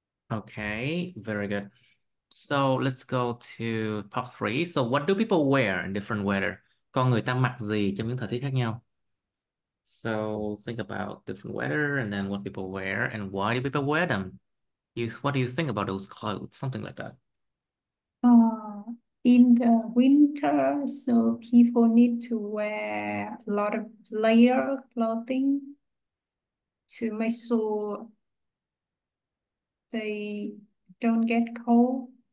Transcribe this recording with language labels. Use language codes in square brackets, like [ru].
[en] Okay, very good. So let's go to part three. So what do people wear in different weather? [vi] Con người ta mặc gì trong những thời tiết khác nhau? [en] So think about different weather and then what people wear and why do people wear them? What do you think about those clothes? Something like that. In the winter, so people need to wear a lot of layer clothing to make sure they don't get cold.